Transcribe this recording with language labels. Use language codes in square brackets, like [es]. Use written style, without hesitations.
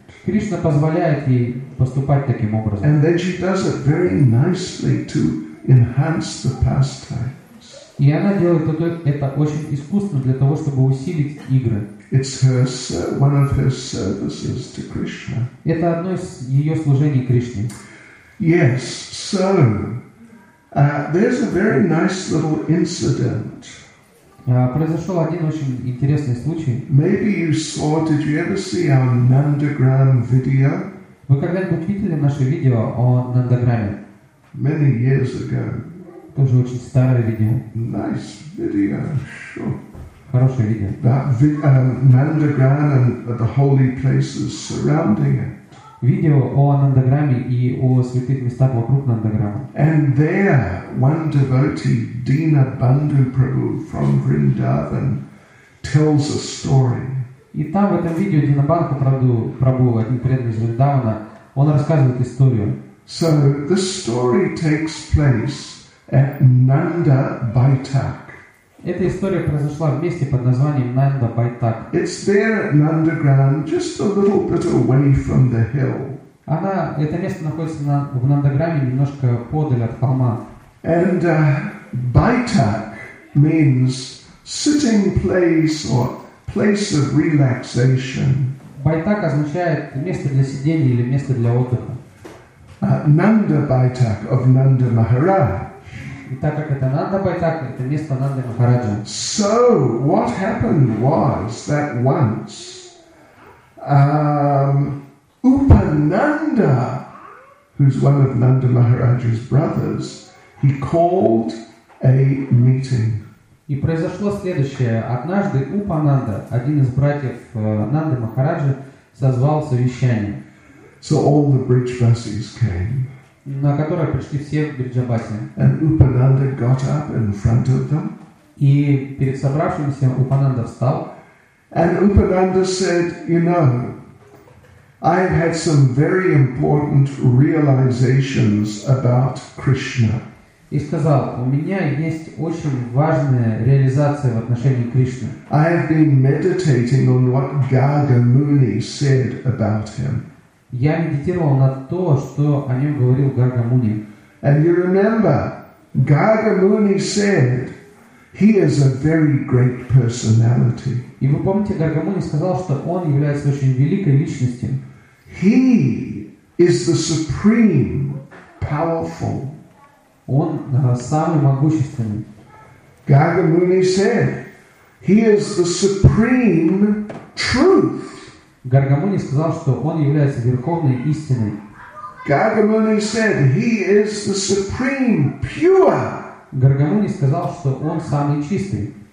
[ru] Кришна позволяет ей поступать таким образом. [en] And then she does it very nicely to enhance the pastimes. [ru] И она делает это очень искусно для того, чтобы усилить игры. [en] It's her one of her services to Krishna. [ru] Это одно из ее служений Кришне. [en] Yes, so there's a very nice little incident. [ru] Произошел один очень интересный случай. [en] Maybe you saw, did you ever see our Nandagram video? [ru] Вы когда-нибудь видели наше видео о Нандаграме? [en] Many years ago. [ru] Тоже очень старое видео. [en] Nice video, sure. [ru] Хорошее видео. [en] Nandagram and the holy places surrounding it. [ru] Видео о Нандаграме и о святых местах вокруг Нандаграма. [en] And there, one devotee, Dina Bandhu Prabhu from Vrindavan, tells a story. [ru] И там в этом видео Дина Бандху Прабху, один преданный из Вриндавана, он рассказывает историю. [en] So this story takes place at Nanda Baitak. [ru] Эта история произошла в месте под названием Нанда Байтак. [en] It's there at Nandagram, just a little bit away from the hill. [ru] Она, это место находится в Нандаграме, немножко подаль от холма. [en] And Baitak means sitting place or place of relaxation. [ru] Байтак означает место для сидения или место для отдыха. [en] Nanda Baitak of Nanda Maharaj. [ru] И так как это Нанда Байтак, это место Нанды Махараджа. [en] So what happened was that once Upananda, who's one of Nanda Maharaja's brothers, he called a meeting. [ru] И произошло следующее. Однажды Упананда, один из братьев Нанды Махараджи, созвал совещание. [en] So all the bridge buses came. [ru] На которое пришли все в Бриджабасе. [en] And Upananda got up in front of them. [ru] И перед собравшимися Упананда встал. [en] And Upananda said, you know, I've had some very important realizations about Krishna. [ru] И сказал, у меня есть очень важная реализация в отношении Кришны. [en] I have been meditating on what Garga Muni said about him. [ru] Я медитировал на то, что о нем говорил Гарга Муни. [en] And you remember, Garga Muni said, he is a very great personality. [ru] И вы помните, Гарга Муни сказал, что он является очень великой личностью. [en] He is the supreme powerful. [ru] Он самый могущественный. [en] Garga Muni said, he is the supreme truth. [ru] Гаргамуни сказал, что он является верховной истиной. [en] Гаргамуни said he is the supreme pure. [ru] Гаргамуни сказал, что он самый чистый.